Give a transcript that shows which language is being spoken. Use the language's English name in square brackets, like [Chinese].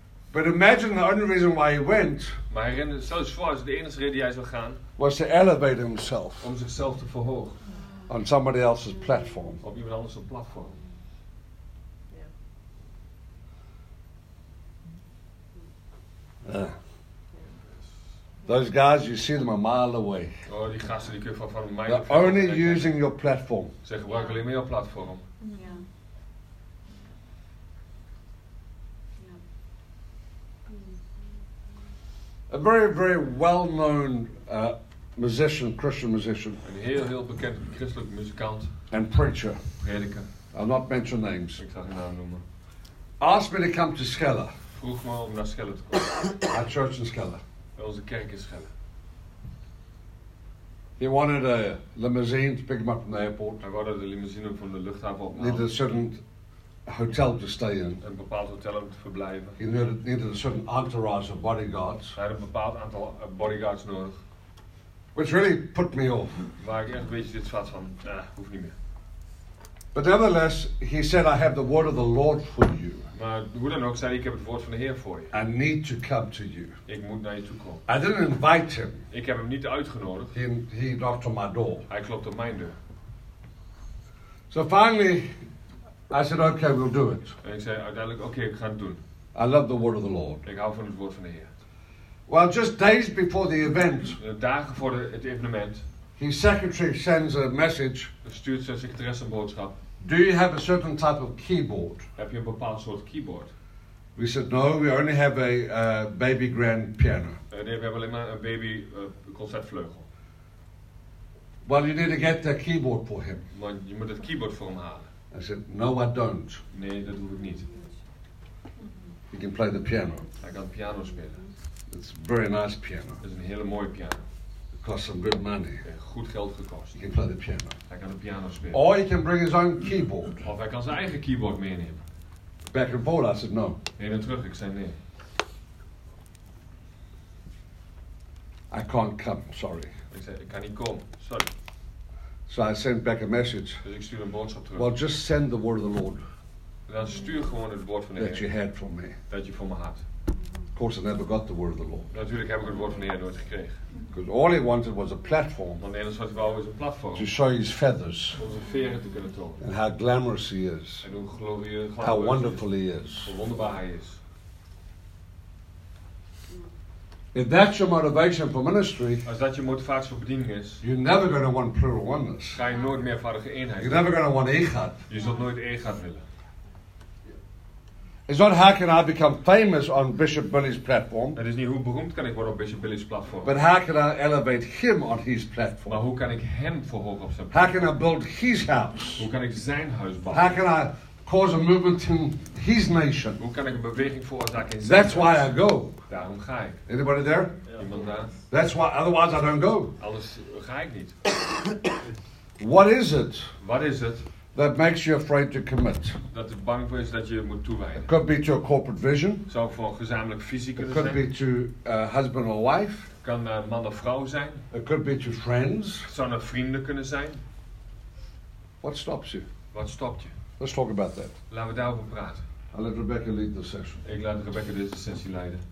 [English] But imagine the only reason why he went. [Dutch] Maar herinner zelfs voor als de enige reden die hij zou gaan. [English] Was to elevate himself. [Dutch] Om zichzelf te verhogen. [English] on somebody else's platform. [Dutch] Op iemand anders' platform. [English] Those guys, you see them a mile away. [Dutch] Oh, die gasten, die kun je van mij. [English] They're only using your platform. [Dutch] Ze gebruiken alleen maar jouw platform. Ja. [English] A very, very well-known musician, Christian musician. [Dutch] Een heel, heel bekend christelijk muzikant. [English] And preacher. [Dutch] Prediker. [English] I'll not mention names. [Dutch] Ik zal geen naam noemen. [English] Asked me to come to Skelle. [Dutch] Vroeg me om naar Skelle te komen. [English] Our church in Skelle. [Dutch] Onze kerk in Skelle. [English] He wanted a limousine to pick him up from the airport. [Dutch] Hij wilde de limousine van de luchthaven opnemen. [English] Needed a certain hotel to stay in. [Dutch] Een bepaald hotel om te verblijven. [English] He needed a certain entourage of bodyguards. [Dutch] Hij had een bepaald aantal bodyguards nodig. [English] Which really put me off. [Dutch] Waar ik echt een beetje dit zat van, hoeft niet meer. [English] But nevertheless, he said, I have the word of the Lord for you. [Dutch] Maar hoe dan ook, zei hij, ik heb het woord van de Heer voor je. [English] I need to come to you. [Dutch] Ik moet naar je toe komen. [English] I didn't invite him. [Dutch] Ik heb hem niet uitgenodigd. [English] He knocked on my door. [Dutch] Hij klopt op mijn deur. [English] So finally, I said, okay, we'll do it. [Dutch] En ik zei uiteindelijk, okay, ik ga het doen. [English] I love the word of the Lord. [Dutch] Ik hou van het woord van de Heer. [English] Well, just days before the event. [Dutch] Dagen voor het evenement. [English] His secretary sends a message. [Dutch] Stuurt zijn secretaresse een boodschap. [English] Do you have a certain type of keyboard? [Dutch] Heb je een bepaald soort keyboard? [English] We said no, we only have a baby grand piano. [Dutch] Nee, we hebben alleen maar een baby concertvleugel. [English] Well, you need to get that keyboard for him. [Dutch] Want je moet het keyboard voor hem halen. [English] I said no, I don't. [Dutch] Nee, dat doe ik niet. [English] He can play the piano. [Dutch] Hij kan piano spelen. [English] It's a very nice piano. [Dutch] Het is een hele mooie piano. [English] Cost some good money. [Dutch] Goed geld gekost. [English] He can play the piano. [Dutch] Hij kan de piano spelen. [English] Or he can bring his own keyboard. [Dutch] Of hij kan zijn eigen keyboard meenemen. [English] Back and forth, I said no. [Dutch] Heen en terug, ik zei nee. [English] I can't come, sorry. [Dutch] Ik zei, ik kan niet komen, sorry. [English] So I sent back a message. [Dutch] Dus ik stuur een boodschap terug. [English] Well, just send the word of the Lord. [Dutch] Dan stuur gewoon het woord van de [English] that [Dutch] Heer. [English] That you had from me. [Dutch] Dat je voor me had. [English] Of course, I never got the word of the Lord. [Dutch] Natuurlijk heb ik het woord van de Heer nooit gekregen. [English] Because all he wanted was a platform. [Dutch] Want het enige wat hij wou was een platform. [English] To show his feathers. [Dutch] Om zijn veren te kunnen tonen. [English] And how glamorous he is. [Dutch] En hoe glorieus. [English] How wonderful he is. [Dutch] Hoe wonderbaar hij is. [English] If that's your motivation for ministry, [Dutch] als dat je motivatie voor bediening is, [English] you're never going to want plural oneness. [Dutch] Ga je nooit meer vaardige eenheid. [English] You're never going to want Egad. [Dutch] Je zult nooit Egad willen. [English] It's not how can I become famous on Bishop Billy's platform. [Dutch] Het is niet hoe beroemd kan ik worden op Bishop Billy's platform. [English] But how can I elevate him on his platform? [Dutch] Maar hoe kan ik hem verhogen op zijn platform? [English] How can I build his house? [Dutch] Hoe kan ik zijn huis bouwen? [English] How can I cause a movement in his nation? [Dutch] Hoe kan ik een beweging veroorzaken in zijn [English] That's why I go. [Dutch] Daarom ga ik. [English] Anybody there? [Dutch] Iemand daar? [English] That's why. Otherwise I don't go. [Dutch] Anders ga ik niet. [English] What is it? What is it? That makes you afraid to commit. [Dutch] Dat het bang voor is dat je moet toewijden. [English] It could be to a corporate vision. [Dutch] Zou voor een gezamenlijk visie kunnen zijn. [English] It could be to a husband or wife. [Dutch] Kan man of vrouw zijn. [English] It could be to friends. [Dutch] Zou naar vrienden kunnen zijn. [English] What stops you? [Dutch] Wat stopt je? [English] Let's talk about that. [Dutch] Laten we daarover praten. [English] I'll let Rebecca lead the session. [Dutch] Ik laat Rebecca deze sessie leiden.